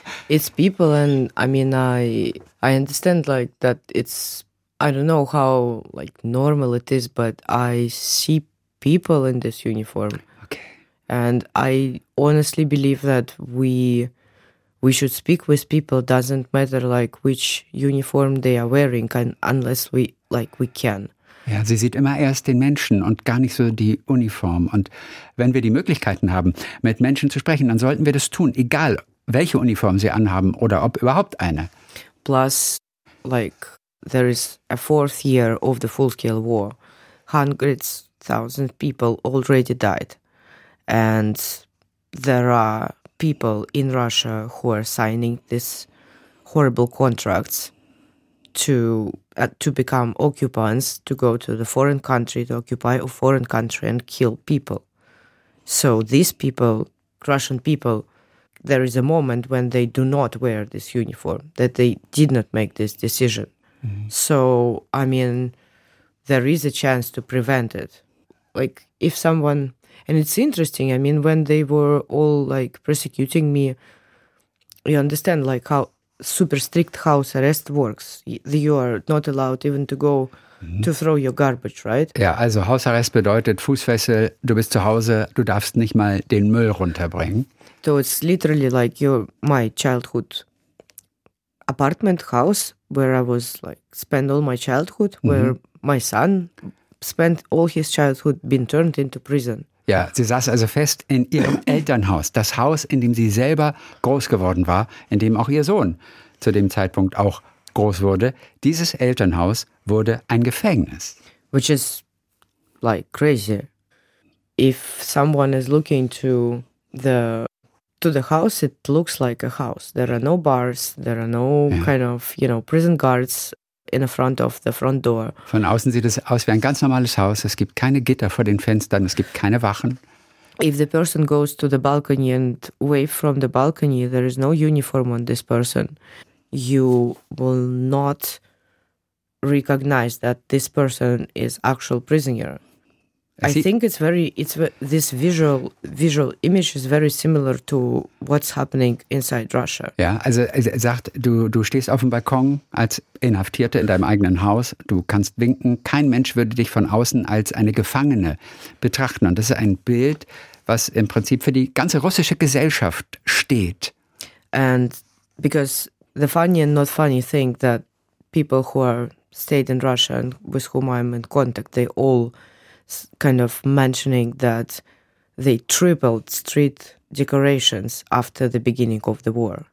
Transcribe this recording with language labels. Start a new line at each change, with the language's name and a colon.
English: It's people and I mean, I understand like that it's, I don't know how like normal it is, but I see people in this uniform. Okay. And I honestly believe that we should speak with people. Doesn't matter like which uniform they are wearing unless we can.
German: Ja, sie sieht immer erst den Menschen und gar nicht so die Uniform. Und wenn wir die Möglichkeiten haben, mit Menschen zu sprechen, dann sollten wir das tun, egal welche Uniform sie anhaben oder ob überhaupt eine.
English: Plus, like, there is a fourth year of the full-scale war. Hundreds, thousands of people already died. And there are people in Russia who are signing these horrible contracts to become occupants, to go to the foreign country, to occupy a foreign country and kill people. So these people, Russian people, there is a moment when they do not wear this uniform, that they did not make this decision. Mm-hmm. So, I mean, there is a chance to prevent it. Like, if someone... And it's interesting, I mean, when they were all, like, persecuting me, you understand, like, how... super strict house arrest works. You are not allowed even to go to throw your garbage, right?
German: Ja, also Hausarrest bedeutet Fußfessel, du bist zu Hause, du darfst nicht mal den Müll runterbringen.
English: So it's literally like my childhood apartment house where I was like spend all my childhood, where my son spent all his childhood, been turned into prison.
German: Ja, sie saß also fest in ihrem Elternhaus, das Haus, in dem sie selber groß geworden war, in dem auch ihr Sohn zu dem Zeitpunkt auch groß wurde. Dieses Elternhaus wurde ein Gefängnis.
English: Which is like crazy. If someone is looking to the house, it looks like a house. There are no bars, there are no kind of, you know, prison guards in the front of the front door.
German: Von außen sieht es aus wie ein ganz normales Haus. Es gibt keine Gitter vor den Fenstern, es gibt keine Wachen.
English: If the person goes to the balcony and wave from the balcony, there is no uniform on this person. You will not recognize that this person is actual prisoner. I think it's very, it's this visual image is very similar to what's happening inside Russia.
German: Ja, also er sagt, du stehst auf dem Balkon als Inhaftierte in deinem eigenen Haus, du kannst winken, kein Mensch würde dich von außen als eine Gefangene betrachten. Und das ist ein Bild, was im Prinzip für die ganze russische Gesellschaft steht.
English: And because the funny and not funny thing that people who are stayed in Russia and with whom I'm in contact, they all kind of mentioning that they tripled street decorations after the beginning of the war.